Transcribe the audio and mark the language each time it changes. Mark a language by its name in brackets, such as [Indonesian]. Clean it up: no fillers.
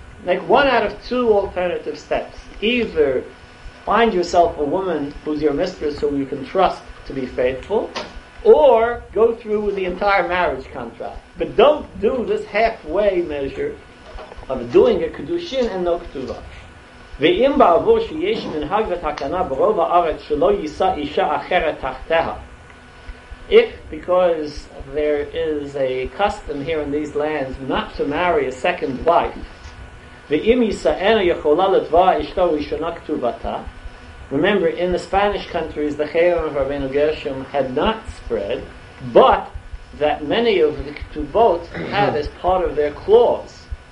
[English] Like one out of two alternative steps. Either find yourself a woman who's your mistress whom you can trust to be faithful, or go through with the entire marriage contract. But don't do this halfway measure of doing a kedushin and no ketuva. [Hebrew] ואם בעבור שיש מנהג ותקנה ברוב הארץ שלא יישא אישה אחרת תחתיה. [English] If, because there is a custom here in these lands not to marry a second wife, [Hebrew] ואם יישאנה יכולה לתבוע אשתו ראשונה כתובתה, [English] remember, in the Spanish countries, the Chayim of Rabbeinu Gershom had not spread, but that many of the ketubot had as part of their clause.